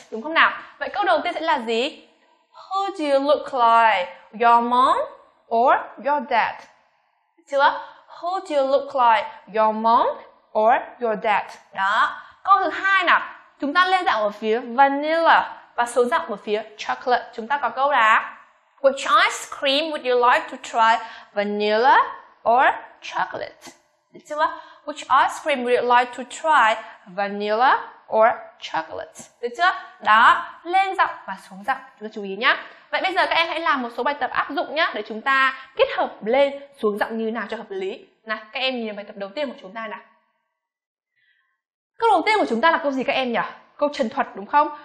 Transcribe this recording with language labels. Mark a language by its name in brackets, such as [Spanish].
[Vietnamese] Đúng không nào? Vậy câu đầu tiên sẽ là gì? [English] Who do you look like? Your mom or your dad? [Vietnamese] Chưa? [English] Who do you look like? Your mom or your dad? [Vietnamese] Đó. Câu thứ hai nào? Chúng ta lên giọng ở phía vanilla và xuống giọng ở phía chocolate. Chúng ta có câu là [English] Which ice cream would you like to try? Vanilla or chocolate? [Vietnamese] Được chưa? [English] Which ice cream would you like to try? Vanilla or chocolate? [Vietnamese] Được chưa? Đó, lên giọng và xuống giọng. Chúng ta chú ý nhé. Vậy bây giờ các em hãy làm một số bài tập áp dụng nhé. Để chúng ta kết hợp lên xuống giọng như nào cho hợp lý. Nào, các em nhìn bài tập đầu tiên của chúng ta nào. Câu đầu tiên của chúng ta là câu gì các em nhỉ? Câu trần thuật đúng không?